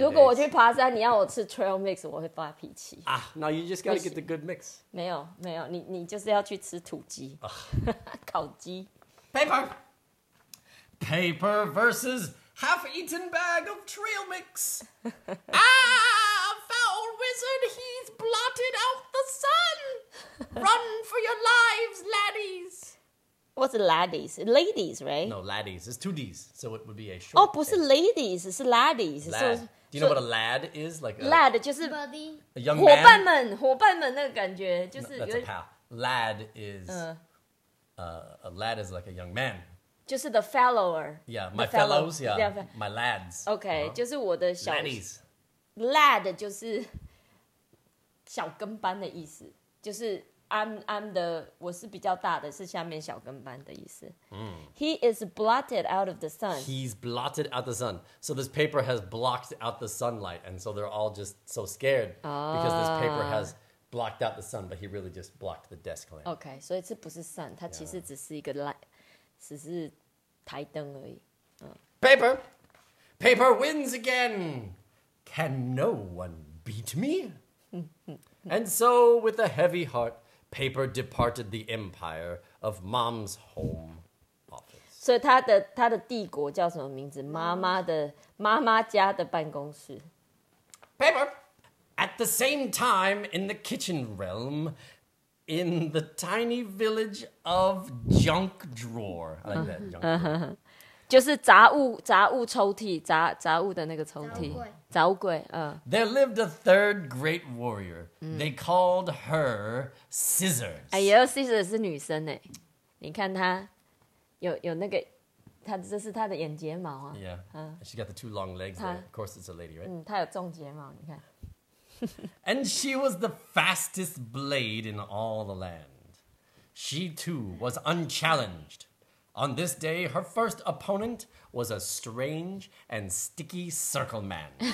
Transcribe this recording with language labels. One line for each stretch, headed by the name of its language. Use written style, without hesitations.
Chinese: 如果我去爬山，你要我吃 trail mix， 我会发脾气。
English: 啊、ah, ，Now you just gotta get the good mix.
Chinese: 没有，没有，你就是要去吃土鸡， 烤鸡。
English: Paper. Paper versus half-eaten bag of trail mix. Ah, foul wizard, he's blotted out the sun. Run for your lives, laddies. What's laddies? Ladies, right? No, laddies. It's two D's, so it would be a short. Oh,
Chinese: 不是
English: ladies, it's laddies. Lad. So, do you know what a lad is? Like a,
Chinese: lad 就是
English: buddy. A young
Chinese: man. 伙伴们，伙伴们那个感觉就是
English: no, that's a pal. Lad is. A lad is like a young man.
Chinese: 就是
English: the fellower. Yeah, my fellows. Yeah, my lads.
Chinese: Okay,、uh-huh. 就是我的小
English: laddies.
Chinese: Lad 就是小跟班的意思，就是。
English: I'm the
Chinese: 我是比较大的，是下面小跟班的意思。
English: He is blotted out of the sun. He's blotted out the sun. So this paper has blocked out the sunlight, and so they're all just so scared because this paper has blocked out the sun. But he really just blocked the desk lamp.
Chinese: Okay, 所以这不是 sun， 它其实只是一个 light， 只是台灯而已。
English: Paper wins again. Can no one beat me? And so with a heavy heart. Paper departed the empire of Mom's home office.
Chinese: 所以他的帝国叫什么名字？妈妈家的办公室。
English: Paper. At the same time, in the kitchen realm, in the tiny village of junk drawer, I like that. Junk drawer.
Chinese: 就是杂物抽屉，杂物的那个抽屉，杂物柜。
English: There lived a third great warrior. They called her Scissors.
Chinese: 哎呦 ，Scissors 是女生哎，你看她有那个，她这是她的眼睫毛啊。
English: Yeah. She got the two long legs. Of course, it's a lady, right?
Chinese: 嗯，她有重睫毛，你看。
English: And she was the fastest blade in all the land. She too was unchallenged. On this day, her first opponent was a strange and sticky circle man.